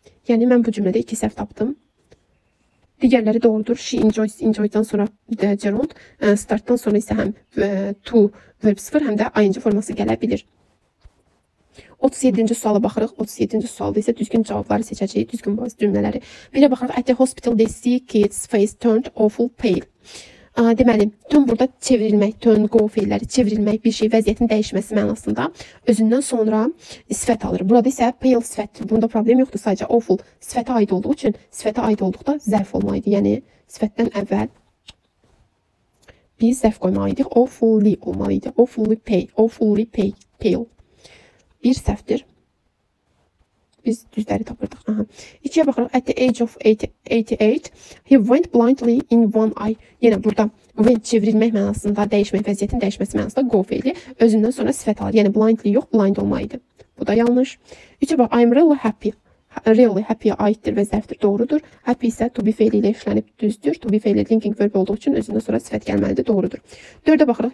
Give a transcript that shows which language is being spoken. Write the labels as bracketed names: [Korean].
[Azerbaijani] Yəni, mən bu cümlədə 2 səhv tapdım. Digərləri doğrudur. She enjoys, enjoy-dan sonra gerund, start-dan sonra isə həm to verb 0, həm də ing forması gələ bilir. 37-ci suala baxırıq. 37-ci sualda isə düzgün cavabları seçəcək, düzgün bazı cümlələri. Birə baxırıq. [English] At the hospital, they see kids face turned awful pale. [Azerbaijani] Deməli, turn burada çevrilmək, turn, go feilləri çevrilmək, bir şey vəziyyətin dəyişməsi mənasında özündən sonra sifət alır. Burada isə pale sifət, bunda problem yoxdur, sadəcə awful sifətə aid olduğu üçün sifətə aid olduqda zərf olmalıydı. Yəni, sifətdən əvvəl bir zərf qoymalıydıq, awfully olmalıydı, awfully pale, awfully pale. Bir zərfdir. Biz düzləri tapırdıq. Aha. İkiyə baxırıq. [English] At the age of 88, he went blindly in one eye. [Azerbaijani] Yenə burada went çevrilmək mənasında, dəyişmək, vəziyyətin dəyişməsi mənasında go feili özündən sonra sifət alır. Yəni blindly yox, blind olmalıydı. Bu da yanlış. İkiyə bax, [English] I'm really happy. [Azerbaijani] Really happy aiddir və zərfdir, doğrudur. Happy isə to be feili ilə işlənib düzdür. To be feili linking verb olduğu üçün özündən sonra sifət gəlməlidir, doğrudur. Dördə baxırıq.